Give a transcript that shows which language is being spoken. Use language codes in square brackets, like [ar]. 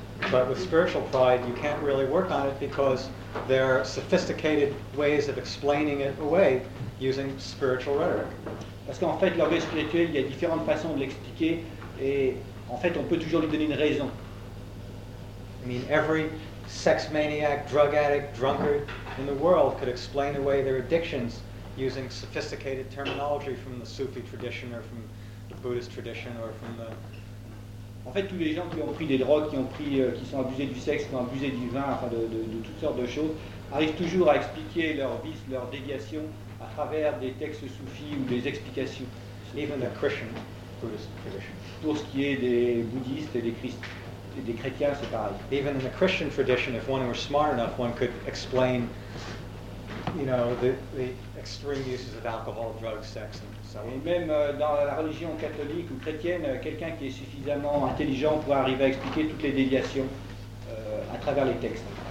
[en] But with spiritual pride, you can't really work on it because there are sophisticated ways of explaining it away using spiritual rhetoric. [fr] Parce qu'en fait, l'orgueil spirituel, il y a différentes façons de l'expliquer, et en fait, on peut toujours lui donner une raison. [en] I mean, every sex maniac, drug addict, drunkard in the world could explain away their addictions using sophisticated terminology from the Sufi tradition or from the Buddhist tradition or from the... [fr] En fait, tous les gens qui ont pris des drogues, qui sont abusés du sexe, qui ont abusé du vin, enfin de toutes sortes de choses, arrivent toujours à expliquer leurs vices, leurs déviations à travers des textes soufis ou des explications. [en] Even the Christian Buddhist tradition. [fr] Pour ce qui est des bouddhistes et des chrétiens, c'est pareil. [en] Even in the Christian tradition, if one were smart enough, one could explain, you know, the extreme uses of alcohol, drugs, sex. [fr] Et même dans la religion catholique ou chrétienne, quelqu'un qui est suffisamment intelligent pourrait arriver à expliquer toutes les déviations à travers les textes.